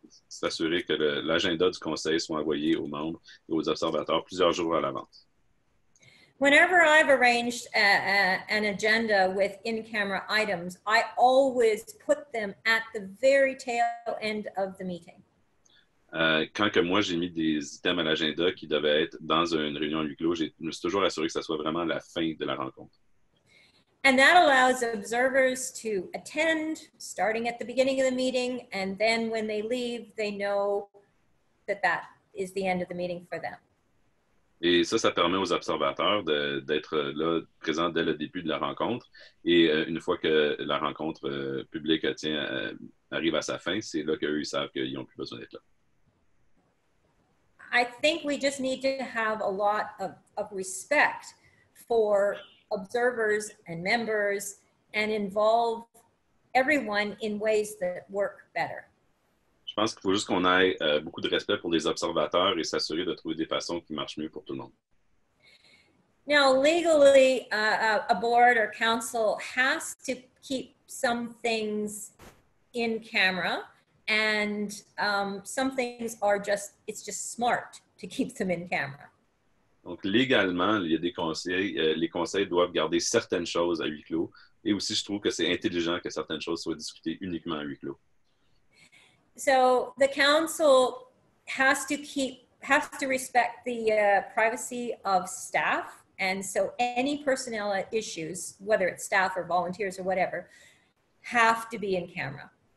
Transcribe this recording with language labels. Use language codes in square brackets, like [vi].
[fr] S'assurer que l'agenda du conseil soit envoyé aux membres et aux observateurs plusieurs jours à l'avance. [en] Whenever I've arranged an agenda with in-camera items, I always put them at the very tail end of the meeting. [fr] Quand que moi j'ai mis des items à l'agenda qui devaient être dans une réunion huis clos, je me suis toujours assuré que ça soit vraiment la fin de la rencontre. [en] And that allows observers to attend, starting at the beginning of the meeting, and then when they leave, they know that that is the end of the meeting for them. [fr] Et ça, ça permet aux observateurs d'être là, présents dès le début de la rencontre. Et une fois que la rencontre publique arrive à sa fin, c'est là qu'eux, ils savent qu'ils n'ont plus besoin d'être là. [en] I think we just need to have a lot of respect for observers and members and involve everyone in ways that work better. [fr] Je pense qu'il faut juste qu'on ait beaucoup de respect pour les observateurs et s'assurer de trouver des façons qui marchent mieux pour tout le monde. [en] Now, legally, a board or council has to keep some things in camera, and some things are just, it's just smart to keep them in camera. [fr] Donc, légalement, il y a des conseils, les conseils doivent garder certaines choses à huis clos, et aussi, je trouve que c'est intelligent que certaines choses soient discutées uniquement à huis clos. [en] So the council has to respect the privacy of staff, and so any personnel issues, whether it's staff or volunteers or whatever, have to be in camera.